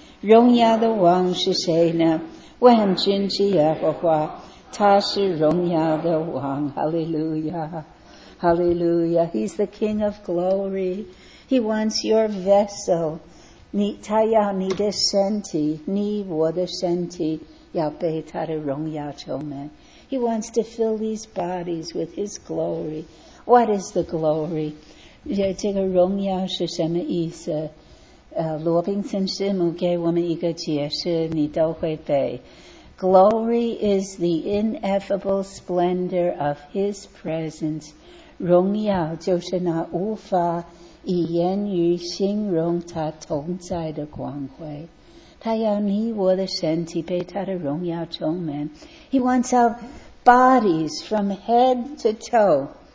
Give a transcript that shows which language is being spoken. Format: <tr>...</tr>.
<zh>荣耀的王是谁呢？万军之耶和华，他是荣耀的王。</zh> <en>Hallelujah, Hallelujah. He's the King of Glory. He wants your vessel.</en> <zh>他要你的身体，你我的身体要被他的荣耀充满。</zh> <en>He wants to fill these bodies with his glory. What is the glory?</en> <zh>这个荣耀是什么意思？罗宾森师母给我们一个解释，你都会背。</zh> <en>Glory is the ineffable splendor of His presence.</en> <zh>荣耀就是那无法以言语形容他同在的光辉。他要你我的身体被他的荣耀充满。</zh> <en>He wants our bodies from head to toe.</en>